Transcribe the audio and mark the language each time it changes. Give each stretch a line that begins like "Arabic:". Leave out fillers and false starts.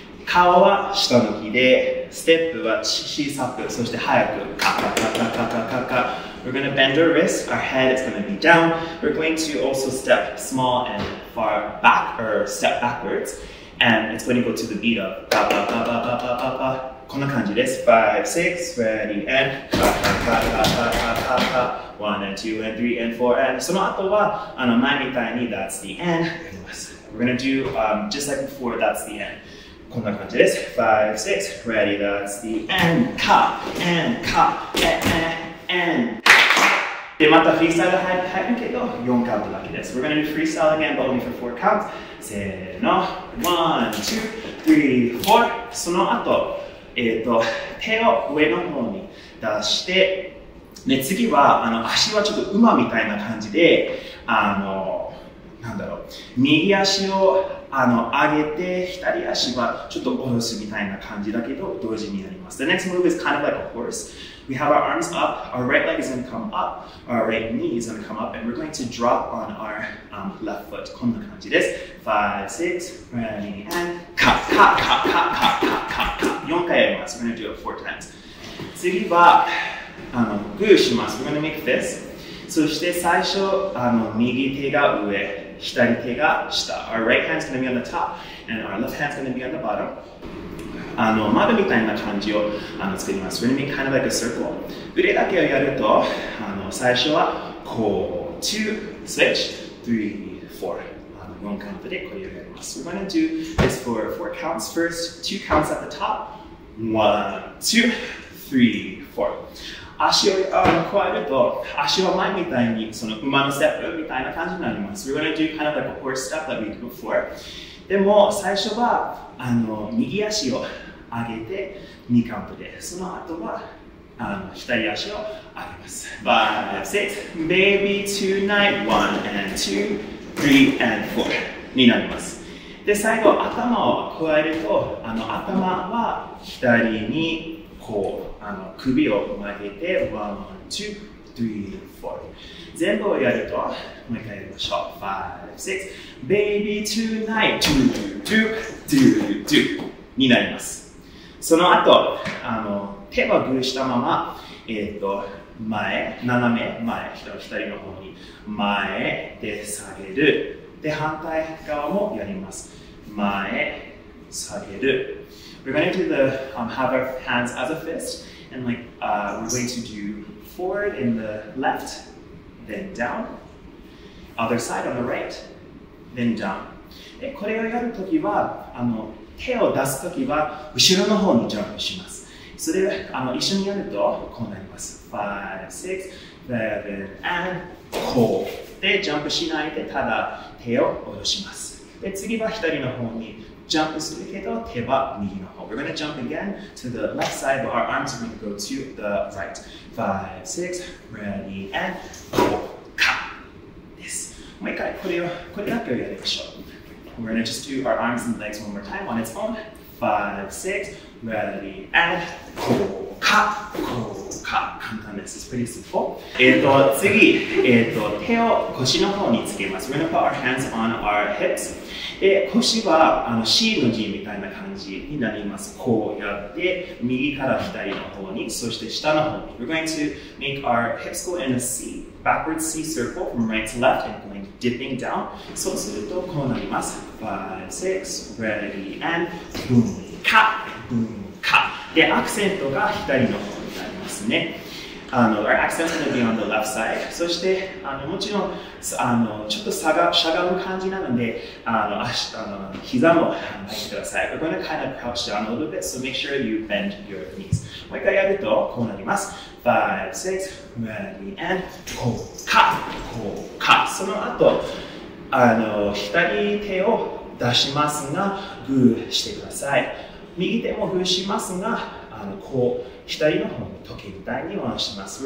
Japanese: 顔は下向きで、ステップは小さく、そして早く、カカカカカカカカ。
English: We're gonna bend our wrists, our head is gonna be down. We're going to also step small and far back, or step backwards. And it's going to go to the beat of ba ba ba ba ba ba ba ba.
Japanese: こんな感じです。
English: Five, six, ready, and ba ba ba ba ba ba ba ba. One and two and three and four and.
Japanese: その後は前みたいに
English: That's the end. We're gonna do just like before. That's the end.
Japanese: こんな感じです。
English: 5、6、Ready, that's the end. Cut, end, cut, end.
Japanese: で、またフリースタイル入るけど、4カウントだけです。
English: We're gonna do freestyle again, but only for 4 counts.
Japanese: せーの、1、2、3、4。その後、手を上の方に出して、で次は足はちょっと馬みたいな感じで、なんだろう、右足を上げて、左足はちょっと下ろすみたいな感じだけど、同時にやります。
English: The next move is kind of like a horse. We have our arms up, our right leg is going to come up, our right knee is going to come up, and we're going to drop on our left foot.
Japanese: こんな感じです。
English: 5, 6, ready, and cut, cut, cut, cut, cut, cut, cut, cut.
Japanese: 4回やります。
English: We're going to do it 4 times.
Japanese: 次は、グーします。
English: We're going to make this.
Japanese: そして最初、右手が上。左手が下。
English: Our right hand is going to be on the top and our left hand is going to be on the bottom.
Japanese: 窓みたいな感じを作ります。
English: We're going to make kind of like a circle.
Japanese: 腕だけをやると、最初はこう、2、switch, 3、4。 4カウントでこれをやります。
English: We're going to do this for 4 counts. First, 2 counts at the top. 1, 2, 3, 4.
Japanese: 足を加えると、足は前みたいに、その馬のステップみたいな感じになります。
English: We're gonna do kind of like a horse step that we did before.
Japanese: でも、最初は、右足を上げて、2カウントで、その後は、左足を上げます。
English: 5、6、baby tonight, 1 and 2, 3 and 4
Japanese: になります。で、最後、頭を加えると、頭は左に、こう首を曲げて、1、2、3、4。全部をやると、もう一回やりましょう。5、6、
English: baby tonight、
Japanese: ドゥドゥドゥドゥドゥになります。その後、手はグーしたまま、前、斜め前、左の方に、前で下げる。で、反対側もやります。前、下げる。
English: We're going to do the, have our hands as a fist, and like, we're going to do forward in the left, then down, other side on the right, then down.
Japanese: で、これをやるときは、手を出すときは、後ろの方にジャンプします。それで、一緒にやると、こうなります。
English: 5, 6, 7, and
Japanese: こう。で、ジャンプしないで、ただ手を下ろします。で、次は左の方に、ジャンプするけど手は右の方。
English: We're gonna jump again to the left side, but our arms are gonna go to the right. 5, 6, ready, and go, cut.
Japanese: です。もう一回これだけをやりましょう。
English: We're gonna just do our arms and legs one more time on its own. 5, 6, ready, and go, cut, go, cut.
Japanese: 簡単です。
English: It's pretty simple.
Japanese: 次、手を腰の方につけます。
English: We're gonna put our hands on our hips.
Japanese: で腰はC の字みたいな感じになります。こうやって右から左の方に、そして下の方に。
English: We're going to make our hips go in a C, backwards C circle from right to left and going dipping down.
Japanese: そうするとこうなります。
English: 5, 6, ready, and boom, cut, boom, cut.
Japanese: で、アクセントが左の方になりますね。
English: Our accent is going to be on the left side.
Japanese: そして、もちろん、ちょっと下がしゃがむ感じなので、足膝も入ってください。
English: We're going to kind of crouch down a little bit, so make sure you bend your knees.
Japanese: もう一回やると、こうなります。
English: 5, 6, ready, and go, cut, go, cut.
Japanese: その後、左手を出しますが、グーしてください。右手もグーしますが、こう、左の方に時計みたいに回します。